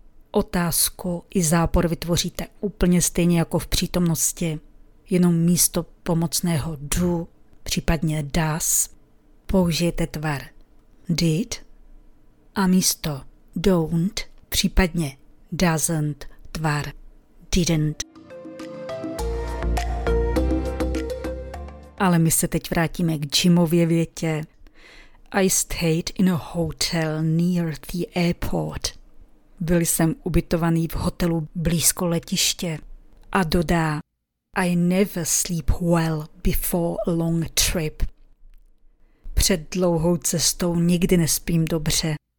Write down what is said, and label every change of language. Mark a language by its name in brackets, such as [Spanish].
[Czech] Otázku i zápor vytvoříte úplně stejně jako v přítomnosti, jenom místo pomocného do, případně does, použijete tvar did a místo don't, případně doesn't, tvar didn't. Ale my se teď vrátíme k Jimově větě. [English] I stayed in a hotel near the airport. [Czech] Byl jsem ubytovaný v hotelu blízko letiště. A dodá, [English] I never sleep well before a long trip. [Czech] Před dlouhou cestou nikdy nespím dobře.